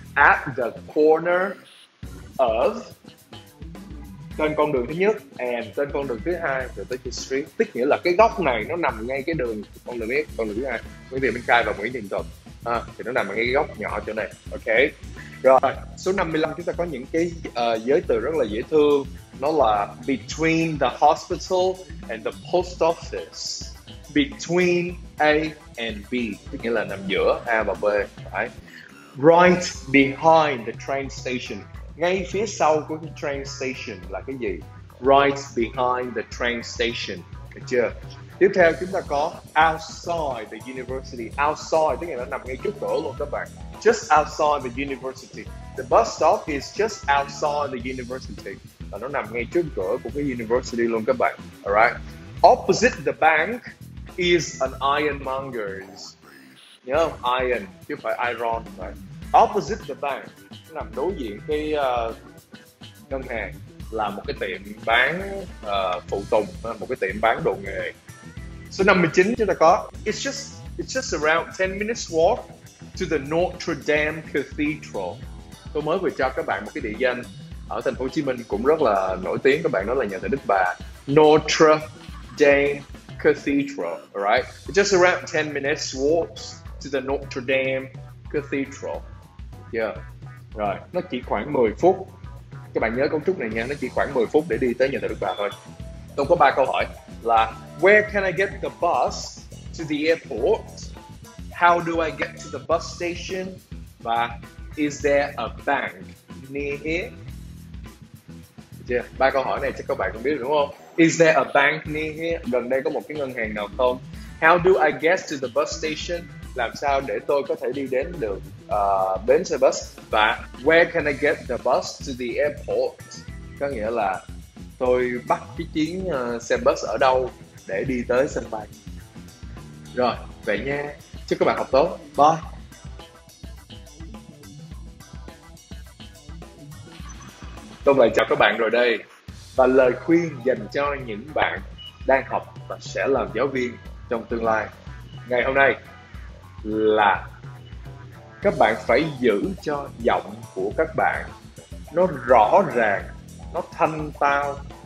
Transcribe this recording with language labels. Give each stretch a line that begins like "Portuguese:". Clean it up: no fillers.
English: At the corner of
Vietnamese: tên con đường thứ nhất and tên con đường thứ hai rồi tới cái street. Tức nghĩa là cái góc này nó nằm ngay cái đường con đường thứ hai Nguyễn Thị Minh Khai và Nguyễn Thiện Thuật. À, thì nó nằm ở cái góc nhỏ chỗ này, ok. Rồi, số 55 chúng ta có những cái giới từ rất là dễ thương. Nó là
English: between the hospital and the post office. Between A and B,
Vietnamese: tức nghĩa là nằm giữa A và B, phải.
English: Right behind the train station.
Vietnamese: Ngay phía sau của cái train station là cái gì?
English: Right behind the train station,
Vietnamese: được chưa? Tiếp theo chúng ta có
English: outside the university.
Vietnamese: Outside tức là nó nằm ngay trước cửa luôn các bạn.
English: Just outside the university. The bus stop is just outside the university.
Vietnamese: Và nó nằm ngay trước cửa của cái university luôn các bạn.
English: Alright. Opposite the bank is an ironmonger's.
Vietnamese: Nhớ không? Iron chứ phải iron. Right?
English: Opposite the bank
Vietnamese: nằm đối diện cái ngân hàng là một cái tiệm bán phụ tùng, một cái tiệm bán đồ nghề. Số 59 chúng ta có
English: it's just around 10 minutes walk to the Notre Dame Cathedral.
Vietnamese: Tôi mới vừa cho các bạn một cái địa danh ở thành phố Hồ Chí Minh cũng rất là nổi tiếng các bạn, đó là nhà thờ Đức Bà, Notre Dame Cathedral.
English: Alright, it's just around 10 minutes walk to the Notre Dame Cathedral.
Vietnamese: Yeah. Rồi, nó chỉ khoảng 10 phút. Các bạn nhớ cấu trúc này nha, nó chỉ khoảng 10 phút để đi tới nhà thờ Đức Bà thôi. Tôi có 3 câu hỏi là
English: where can I get the bus to the airport? How do I get to the bus station? Và is there a bank near here?
Vietnamese: Yeah, 3 câu hỏi này chắc các bạn cũng biết đúng không?
English: Is there a bank near here?
Vietnamese: Gần đây có một cái ngân hàng nào không?
English: How do I get to the bus station?
Vietnamese: Làm sao để tôi có thể đi đến được bến xe bus?
English: Và where can I get the bus to the airport?
Vietnamese: Có nghĩa là tôi bắt cái chuyến xe bus ở đâu để đi tới sân bay. Rồi, vậy nha. Chúc các bạn học tốt. Bye. Tôi lại chào các bạn rồi đây. Và lời khuyên dành cho những bạn đang học và sẽ làm giáo viên trong tương lai ngày hôm nay là các bạn phải giữ cho giọng của các bạn nó rõ ràng, nó thanh tao.